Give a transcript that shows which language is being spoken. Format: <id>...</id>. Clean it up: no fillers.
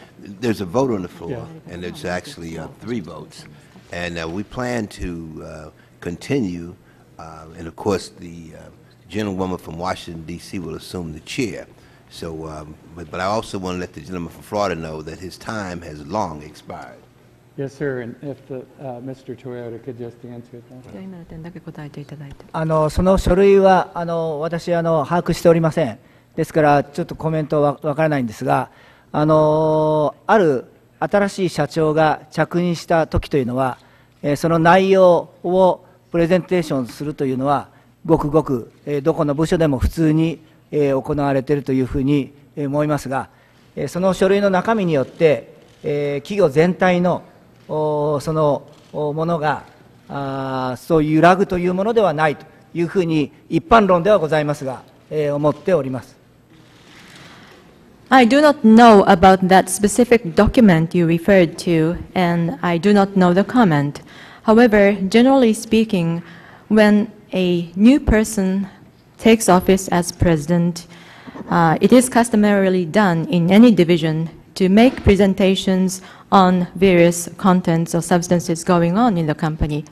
<en>There's a vote on the floor, and it's actually three votes, and we plan to continue, and of course the gentlewoman from Washington, D.C. will assume the chair. So, but I also want to let the gentleman from Florida know that his time has long expired. Yes, sir, and if the, Mr. Toyota could just answer that.</en> <ja>今の点だけ答えていただいて。その書類は、私、把握しておりません。ですから、ちょっとコメントはわからないんですが、ある新しい社長が着任した時というのは、その内容をプレゼンテーションするというのは、ごくごく、どこの部署でも普通に、行われているというふうに思いますが、その書類の中身によって、企業全体のそのものがそういう揺らぐというものではないというふうに一般論ではございますが、思っております。</ja> <en>I do not know about that specific document you referred to, and I do not know the comment. However, generally speaking, when a new person takes office as president, it is customarily done in any division to make presentations on various contents or substances going on in the company.</en>